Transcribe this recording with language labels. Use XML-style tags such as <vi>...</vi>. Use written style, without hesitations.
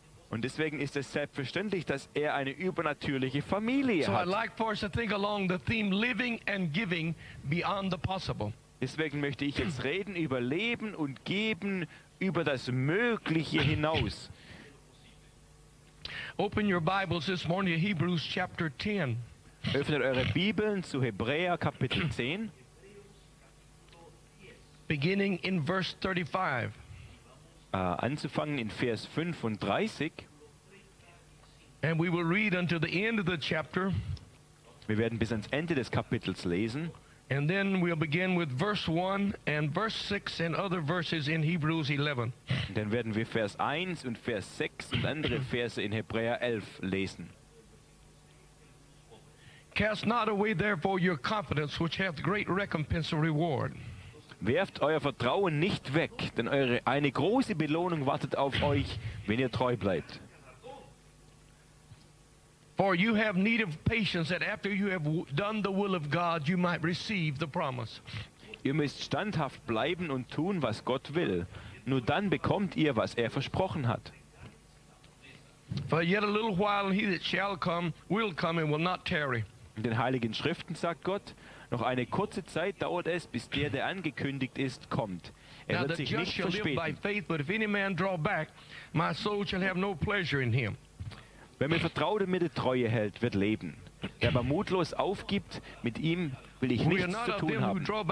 <de>Und deswegen ist es selbstverständlich, dass er eine übernatürliche Familie hat.</de> <en>So I'd like for us to think along the theme living and giving beyond the possible.</en> <de>Deswegen möchte ich jetzt reden über Leben und Geben über das Mögliche hinaus.</de> <en>Open your Bibles this morning to Hebrews chapter 10.</en> <de>Öffnet eure Bibeln zu Hebräer Kapitel 10.</de> <en>Beginning in verse 35.</en> <de>Anzufangen in Vers 35.</de> <en>And we will read until the end of the chapter.</en> <de>Wir werden bis ans Ende des Kapitels lesen.</de> <en>And then we'll begin with verse 1 and verse 6 and other verses in Hebrews 11.</en> <de>Dann werden wir Vers 1 und Vers 6 und andere Verse in Hebräer 11 lesen.</de> <en>Cast not away therefore your confidence, which hath great recompense and reward.</en> <de>Werft euer Vertrauen nicht weg, denn eine große Belohnung wartet auf euch, wenn ihr treu bleibt.</de> <en>For you have need of patience, that after you have done the will of God, you might receive the promise.</en> <de>Ihr müsst standhaft bleiben und tun, was Gott will. Nur dann bekommt ihr, was er versprochen hat.</de> <en>For yet a little while, and he that shall come will come and will not tarry.</en> <de>In den Heiligen Schriften sagt Gott, noch eine kurze Zeit dauert es, bis der angekündigt ist, kommt. Wird sich nicht verspäten.</de> <en>Now the just shall live by faith, but if any man draw back, my soul shall have no pleasure in him.</en> <de>Wer mir Vertraute mit der Treue hält, wird leben. Wer aber mutlos aufgibt, mit ihm will ich nichts zu tun haben.</de>